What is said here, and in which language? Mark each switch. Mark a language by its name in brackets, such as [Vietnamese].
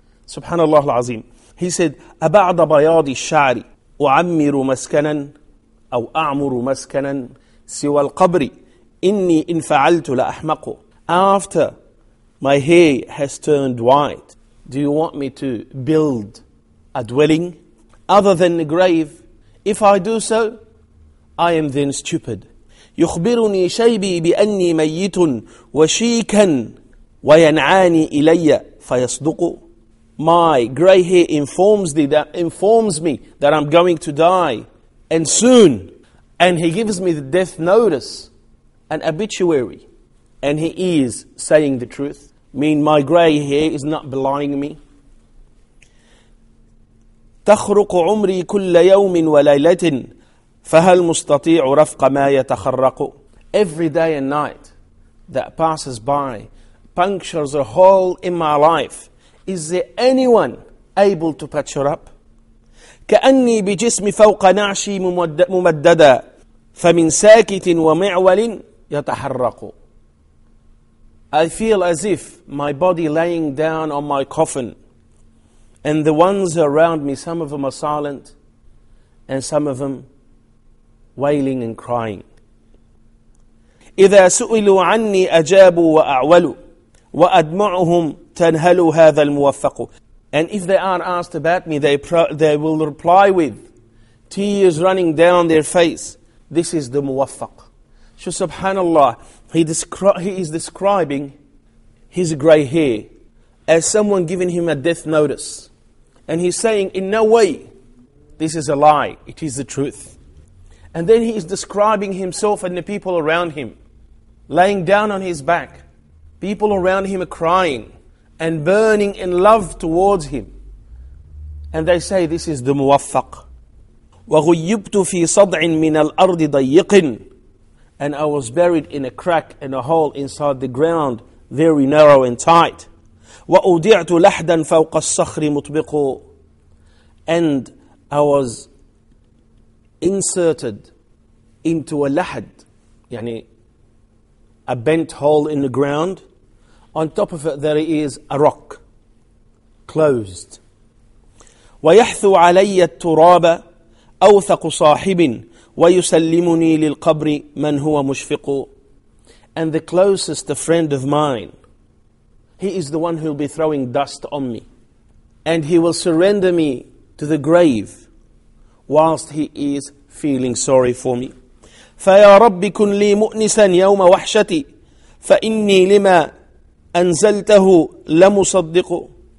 [English] Subhanallah al-Azim. He said, [Arabic] أَبَعْضَ بَيَاضِ الشَّعْرِ أُعَمِّرُ مَسْكَنًا أَوْ أَعْمُرُ مَسْكَنًا سِوَى الْقَبْرِ إِنِّي إِنْ فَعَلْتُ لَأَحْمَقُ. [English] After my hair has turned white, do you want me to build a dwelling other than the grave? If I do so, I am then stupid. [Arabic] يخبرني شيبي بأني ميت وشيكا وينعاني إلي فيصدق. [English] My grey hair informs me that I'm going to die, and soon. And he gives me the death notice, an obituary. And he is saying the truth. Mean my grey hair is not belying me. [Arabic] تخرق عمري كل يوم وليلة فهل مستطيع رفق ما يتخرق؟ [English] Every day and night that passes by punctures a hole in my life. Is there anyone able to patch her up? [Arabic] كأني بجسم فوق نعشي ممددا فمن ساكت ومعول يتحرق. [English] I feel as if my body laying down on my coffin and the ones around me, some of them are silent and some of them wailing and crying. [Arabic] إذا سئلوا عني أجابوا وأعولوا وأدمعهم تنهل هذا الموفق. [English] And if they are asked about me, they will reply with tears running down their face. This is the muwaffaq. So subhanAllah, he is describing his gray hair as someone giving him a death notice. And he's saying, in no way, this is a lie, it is the truth. And then he is describing himself and the people around him, laying down on his back. People around him are crying and burning in love towards him. And they say, this is the muwaffaq. [Arabic] وغيبت في صدع من الأرض ضيق. [English] And I was buried in a crack and a hole inside the ground, very narrow and tight. [Arabic] وأودعت لحدا فوق الصخر مطبق. [English] And I was inserted into a لحد, يعني a bent hole in the ground. On top of it there is a rock, closed. [Arabic] ويحثو علي التراب أوثق صاحب ويسلمني للقبر من هو مشفق. [English] And the closest friend of mine, he is the one who will be throwing dust on me. And he will surrender me to the grave whilst he is feeling sorry for me. [Arabic] فيا رب كن لي مؤنسا يوم وحشتي فإني لما أنزلته لمصدق.